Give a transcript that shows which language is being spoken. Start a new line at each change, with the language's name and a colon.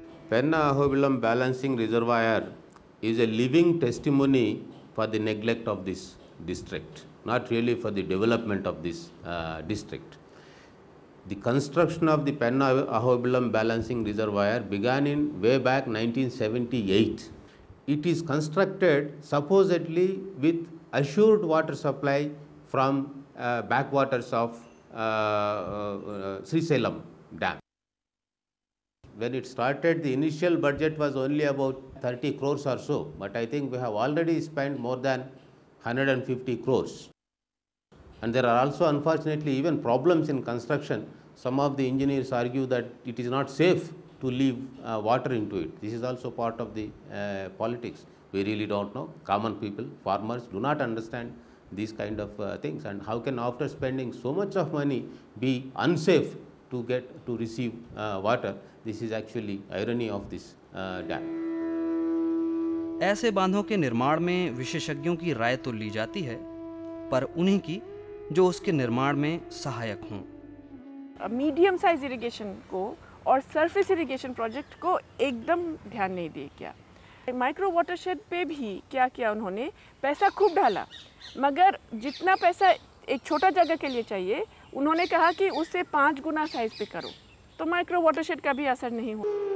English: Penna Ahobilam balancing reservoir is a living testimony for the neglect of this district, not really for the development of this district. The construction of the Penna Ahobilam balancing reservoir began in way back 1978। It is constructed supposedly with assured water supply from backwaters of Srisailam dam. When it started, the initial budget was only about 30 crores or so, but I think we have already spent more than 150 crores. And there are also, unfortunately, even problems in construction. Some of the engineers argue that it is not safe to leave water into it. This is also part of the politics. We really don't know. Common people, farmers, do not understand these kind of things. And how can, after spending so much of money, be unsafe to get to receive water? This is actually irony of this dam.
Hindi: ऐसे बांधों के निर्माण में विशेषज्ञों की राय तो ली जाती है, पर उन्हीं की जो उसके निर्माण में सहायक हों। मीडियम साइज इरिगेशन को और सरफेस इरिगेशन प्रोजेक्ट को एकदम ध्यान नहीं दिए क्या। माइक्रो वाटरशेड पे भी क्या किया उन्होंने, पैसा खूब डाला, मगर जितना पैसा एक छोटा जगह के लिए चाहिए, उन्होंने कहा कि उसे 5 गुना साइज पे करो, तो माइक्रो वाटरशेड का भी असर नहीं हुआ।